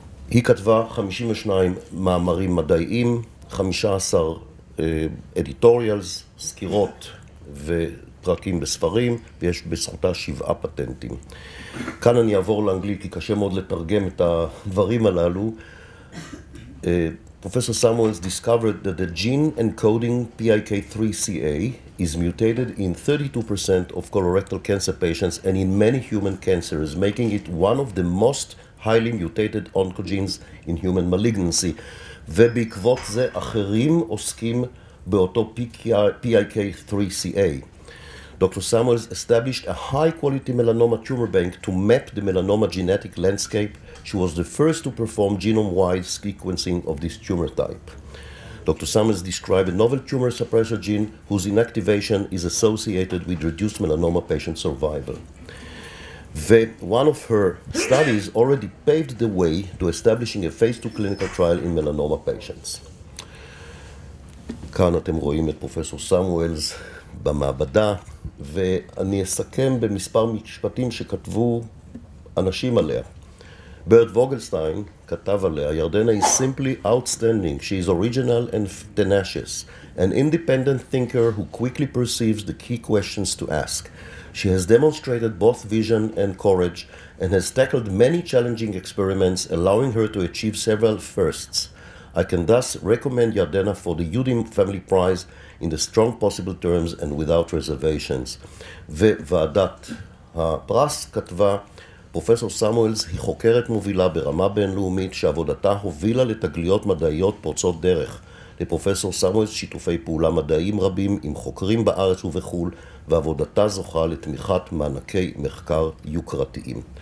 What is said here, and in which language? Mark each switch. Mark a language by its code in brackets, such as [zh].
[he] היא כתבה 52 מאמרים מדעיים, 15 editorials, סקירות ופרקים בספרים, ויש בזכותה 7 פטנטים. כאן אני אעבור לאנגלית, כי קשה מאוד לתרגם את הדברים הללו. [en] פרופסור סמואלס discovered that the gene encoding PIK3CA is mutated in 32% of colorectal cancer patients and in many human cancers, making it one of the most highly mutated oncogenes in human malignancy. [he] ובעקבות זה אחרים עוסקים באותו PIK3CA. [en] Dr. Samuels established a high-quality melanoma tumor bank to map the melanoma genetic landscape. She was the first to perform genome-wide sequencing of this tumor type. Dr. Samuels described a novel tumor suppressor gene whose inactivation is associated with reduced melanoma patient survival. One of her studies already paved the way to establishing a phase 2 clinical trial in melanoma patients. [he] כאן אתם רואים את פרופסור סמואלס במעבדה, ואני אסכם במספר משפטים שכתבו אנשים עליה. ברט ווגלסטיין כתב עליה, ירדנה [en] is simply outstanding. She is original and tenacious, an independent thinker who quickly perceives the key questions to ask. She has demonstrated both vision and courage and has tackled many challenging experiments, allowing her to achieve several firsts. I can thus recommend ירדנה for the יודעים family prize in the strong possible terms and without reservations. [he] וועדת הפרס כתבה, פרופסור סמואלס היא חוקרת מובילה ברמה בינלאומית שעבודתה הובילה לתגליות מדעיות פורצות דרך. לפרופסור סמואלס שיתופי פעולה מדעיים רבים עם חוקרים בארץ ובחול, ועבודתה זוכה לתמיכת מענקי מחקר יוקרתיים.